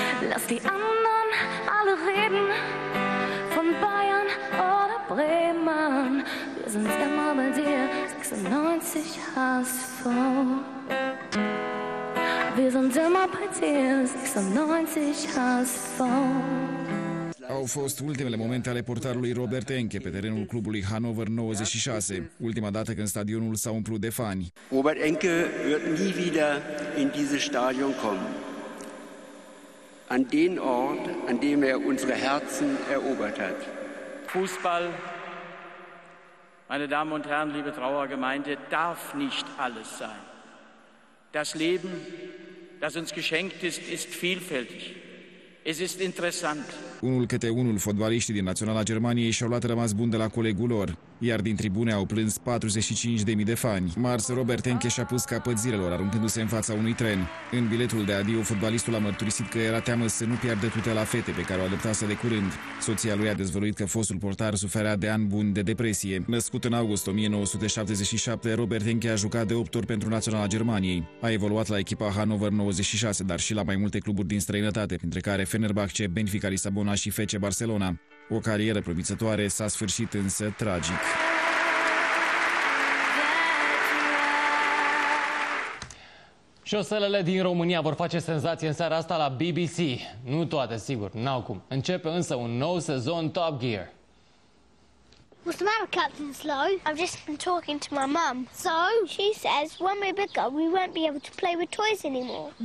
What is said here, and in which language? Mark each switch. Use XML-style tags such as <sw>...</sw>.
<de>Lass die anderen alle reden von Bayern oder Bremen. Wir sind immer bei dir, 96 HSV. Wir sind immer bei dir, 96 HSV.</de> <ro>Au fost ultimele momente ale portarului Robert Enke pe terenul clubului Hannover 96, ultima dată când stadionul s-a umplut de fani.</ro> <de>Robert Enke wird nie wieder in dieses Stadion kommen. An den Ort, an dem unsere Herzen erobert hat. Fußball Meine Damen und Herren, liebe Trauergemeinde, darf nicht alles sein. Das Leben, das uns geschenkt ist, ist vielfältig. Es ist interessant.</de> <ro>Unul câte unul, fotbaliștii din Naționala Germaniei și-au luat rămas bun de la colegul lor, iar din tribune au plâns 45.000 de fani. Mars Robert Enke și-a pus capăt zilelor, aruncându-se în fața unui tren. În biletul de adio, fotbalistul a mărturisit că era teamă să nu piardă tutela fete pe care o adoptase de curând. Soția lui a dezvăluit că fostul portar suferea de ani buni de depresie. Născut în august 1977, Robert Enke a jucat de 8 ori pentru Naționala Germaniei. A evoluat la echipa Hannover 96, dar și la mai multe cluburi din străinătate, printre care Fenerbahce, Benfica Lisabona și FC Barcelona. O carieră promițătoare s-a sfârșit însă tragic. Șoselele din România vor face senzație în seara asta la BBC. Nu toate, sigur, n-au cum. Începe însă un nou sezon Top Gear.</ro> <en>What's the matter, Captain Slow? I've just been talking to my mum. So? She says when we're bigger, we won't be able to play with toys anymore.</en>